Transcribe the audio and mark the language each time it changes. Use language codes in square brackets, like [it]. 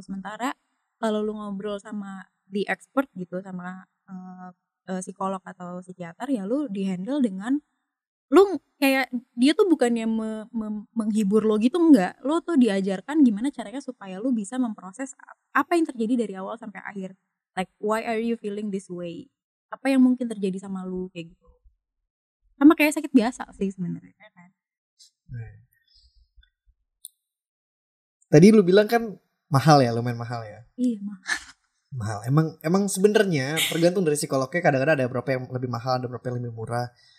[id] Sementara kalau lu ngobrol sama [en] the expert [id] gitu, sama psikolog atau psikiater, ya lu dihandle dengan lu kayak dia tuh bukannya menghibur lu gitu, enggak. Lu tuh diajarkan gimana caranya supaya lu bisa memproses apa yang terjadi dari awal sampai akhir. [en] Like why are you feeling this way? [id] Apa yang mungkin terjadi sama lu kayak gitu. Sama kayak sakit biasa sih sebenarnya. Tadi lu bilang kan mahal ya, lumayan mahal ya. Iya, mahal. Mahal. Emang sebenarnya tergantung dari psikolognya, kadang-kadang ada berapa yang lebih mahal, ada berapa yang lebih murah.